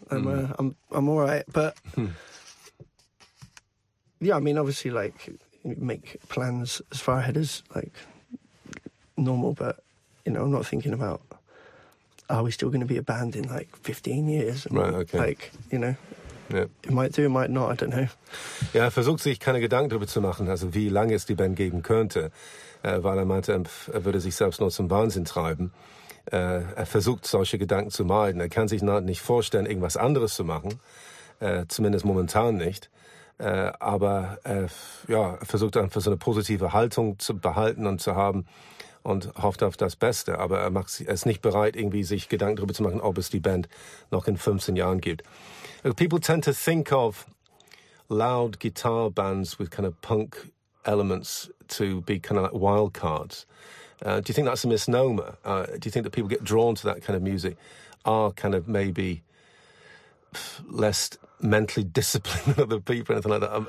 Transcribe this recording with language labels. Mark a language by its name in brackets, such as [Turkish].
[English] I'm all right, but yeah, I mean, obviously, like, make plans as far ahead as like normal, but, you know, I'm not thinking about, are we still going to be a band in, like, 15 years? Right, okay. Like, you know, yeah. It might do, it might not, I don't know. [German] Ja, er versucht sich keine Gedanken darüber zu machen, also wie lange es die Band geben könnte, weil er meinte, er würde sich selbst nur zum Wahnsinn treiben. Er versucht, solche Gedanken zu meiden. Er kann sich nicht vorstellen, irgendwas anderes zu machen, zumindest momentan nicht. Aber ja, er versucht einfach, so eine positive Haltung zu behalten und zu haben, und hofft auf das Beste, aber er ist nicht bereit, irgendwie sich Gedanken darüber zu machen, ob es die Band noch in 15 Jahren gibt. [English] People tend to think of loud guitar bands with kind of punk elements to be kind of like wild cards. Do you think that's a misnomer? Do you think that people get drawn to that kind of music are kind of maybe less mentally disciplined than other people or anything like that?